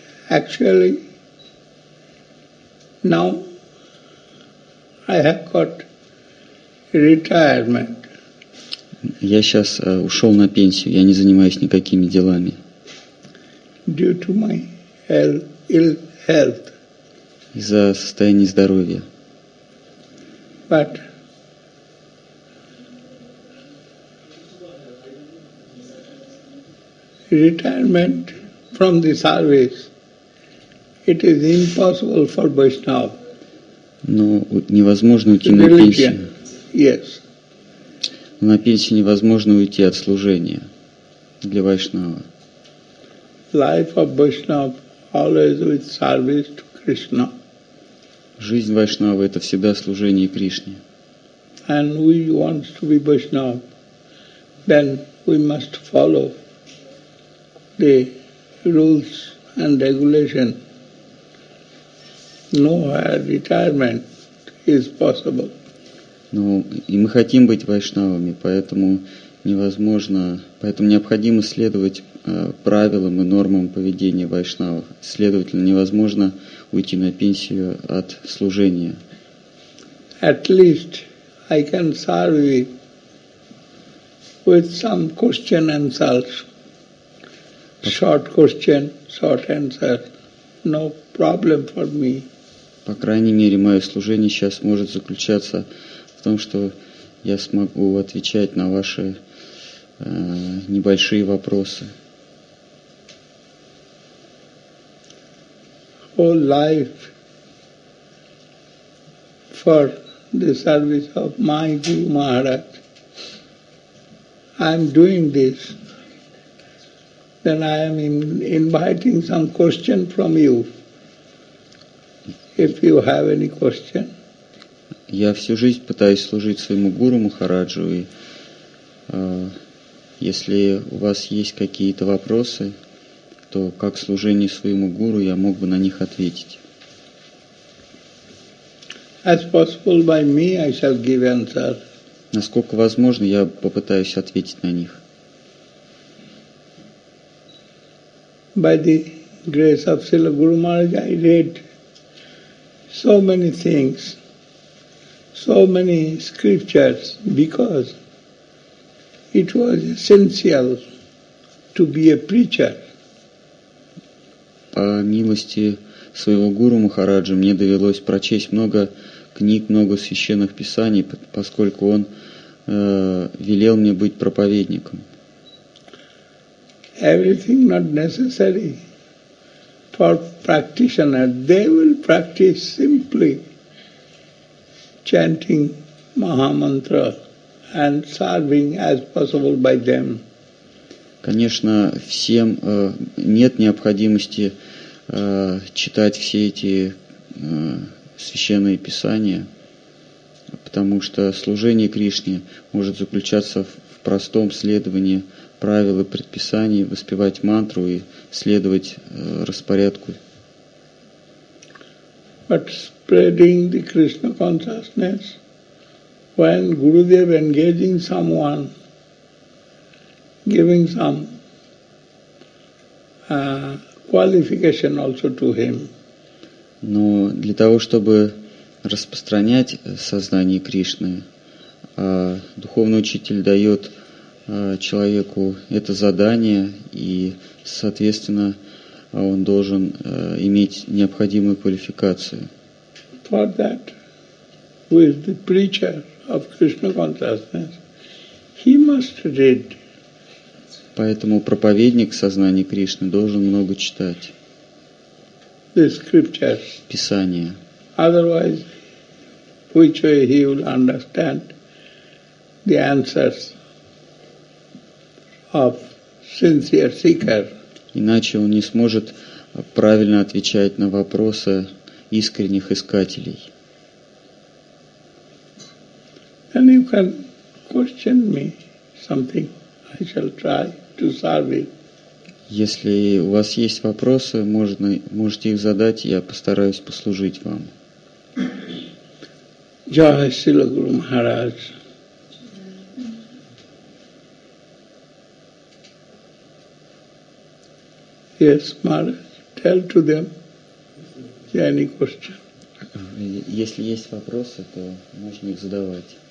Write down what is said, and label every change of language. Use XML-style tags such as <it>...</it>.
<en>Actually, now I have got retirement.</en> <ru>Я сейчас ушел на пенсию, я не занимаюсь никакими делами.</ru> <en>Due to my ill health.</en> <ru>Из-за состояния здоровья.</ru> <en>But retirement from the service, it is impossible for Vaishnav.</en> <ru>Но невозможно уйти на пенсию.</ru> <en>Yes.</en> <ru>На пенсию невозможно уйти от служения для Вайшнава.</ru> <en>Life of Vaishnav always with service to Krishna.</en> <ru>Жизнь вайшнава это всегда служение Кришне.</ru> <en>And we want to be Vaishnav, then we must follow the rules and regulation. Nowhere retirement is possible.</en> <ru>Ну и мы хотим быть вайшнавами, поэтому невозможно, поэтому необходимо следовать правилам и нормам поведения вайшнавов. Следовательно, невозможно уйти на пенсию от служения.</ru> <en>At least I can serve you with some question answers. Short question, short answer. No problem for me.</en> <ru>По крайней мере, мое служение сейчас может заключаться в том, что я смогу отвечать на ваши небольшие вопросы.</ru> <en>Whole life for the service of my Guru Maharaj. I am doing this. Then I am inviting some question from you. If you have any question.</en> <ru>Я всю жизнь пытаюсь служить своему Гуру Махараджу и если у вас есть какие-то вопросы, то как служение своему гуру я мог бы на них ответить.</ru> <en>As possible by me, I shall give answer.</en> <ru>Насколько возможно, я попытаюсь ответить на них.</ru> <en>By the grace of Srila Guru Maharaj, I read so many things, so many scriptures, because it was essential to be a preacher.</en> <ru>По милости своего Гуру Махараджа мне довелось прочесть много книг, много священных писаний, поскольку он велел мне быть проповедником.</ru> <en>Everything not necessary for practitioner, they will practice simply chanting Mahamantra and serving as possible by them.</en> <ru>Конечно, всем нет необходимости читать все эти священные писания, потому что служение Кришне может заключаться в простом следовании правил и предписаний, воспевать мантру и следовать распорядку.</ru> <en>But spreading the Krishna consciousness, when Gurudev engaging someone, giving some qualification also to him.</en> <ru>Но для того, чтобы распространять сознание Кришны, духовный учитель дает человеку это задание, и, соответственно, он должен иметь необходимую квалификацию.</ru> <en>For that, who is the preacher of Krishna consciousness, he must read.</en> <ru>Поэтому проповедник сознания Кришны должен много читать.</ru> <en>The scriptures.</en> <ru>Писание.</ru> <en>Otherwise, which way he will understand the answers of sincere seeker?</en> <ru>Иначе он не сможет правильно отвечать на вопросы искренних искателей.</ru> <en>And you can question me something. I shall try to solve it.</en> <ru>Если у вас есть вопросы, можете их задать, я постараюсь послужить вам.</ru> <en>Jai Srila Guru Maharaj. Yes, Maharaj, tell to them. Any question?</en> <ru>Если есть вопросы, то можно их задавать.</ru>